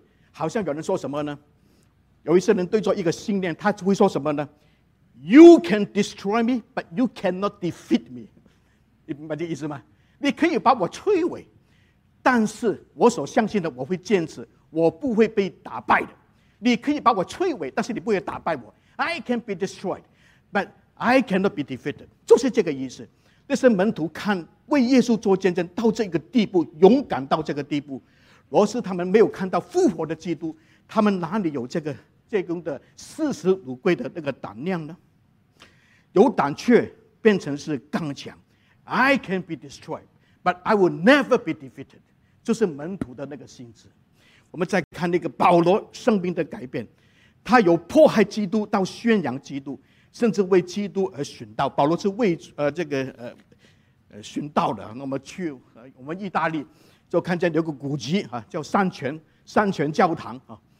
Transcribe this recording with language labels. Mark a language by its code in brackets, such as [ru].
[zh] 好像有人说什么呢？有一些人对着一个信念，他会说什么呢？ [en] You can destroy me, but you cannot defeat me. [zh] 你明白这意思吗？你可以把我摧毁，但是我所相信的我会坚持，我不会被打败的。你可以把我摧毁，但是你不会打败我。 [en] I can be destroyed, but I cannot be defeated. [zh] 就是这个意思。那些门徒看为耶稣做见证到这个地步，勇敢到这个地步，罗斯他们没有看到复活的基督，他们哪里有这种的视死如归的那个胆量呢？有胆怯变成是刚强。 [en] I can be destroyed, but I will never be defeated. [zh] 就是门徒的那个心智。我们再看那个保罗生命的改变，他有迫害基督到宣扬基督，甚至为基督而殉道。保罗是为殉道的。那么去我们意大利就看见有个古迹啊，叫三泉教堂啊。